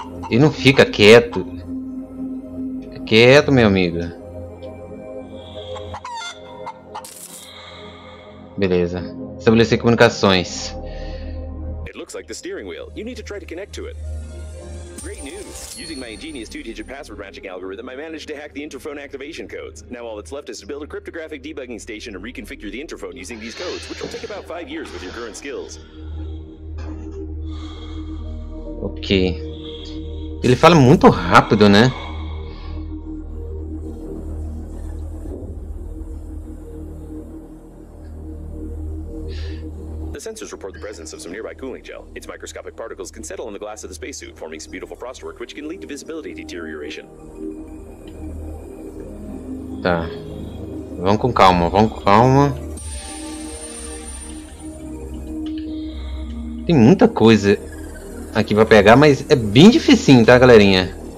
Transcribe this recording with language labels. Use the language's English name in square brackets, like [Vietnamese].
[Portuguese] E não fica quieto. Fica quieto, meu amigo. Beleza. Estabelecer comunicações. [English] It looks like the steering wheel. You need to try to connect to it. Great news. Using my ingenious two-digit password matching algorithm, I managed to hack the interphone activation codes. Now all that's left is to build a cryptographic debugging station and reconfigure the interphone using these codes, which will take about 5 years with your current skills. OK. [Portuguese] Ele fala muito rápido, né? [English] The sensors report the presence of some nearby cooling gel. Its microscopic particles can settle on the glass of the spacesuit, forming some beautiful frostwork, which can lead to visibility deterioration. [Portuguese] Tá. Vamos com calma, vamos com calma. Tem muita coisa aqui pra pegar, mas é bem dificinho, tá, galerinha?